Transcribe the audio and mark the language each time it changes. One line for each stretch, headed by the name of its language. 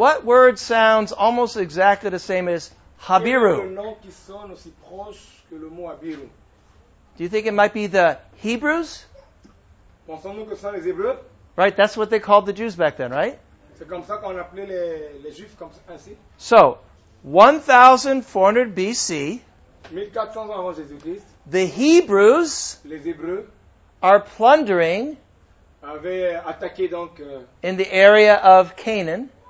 English: What word sounds almost exactly the same as Habiru?
French: Quel est le nom qui sonne aussi proche que le mot Habiru?
English: Do you think it might be the Hebrews?
French: Pensons-nous que ce sont les Hébreux?
English: Right, that's what they called the Jews back then, right?
French: C'est comme ça qu'on appelait les Juifs comme ça, ainsi.
English: So, 1400 BC,
French: 1400 avant Jésus-Christ,
English: the Hebrews
French: les Hébreux
English: are plundering
French: avaient attaqué donc,
English: in the area of Canaan,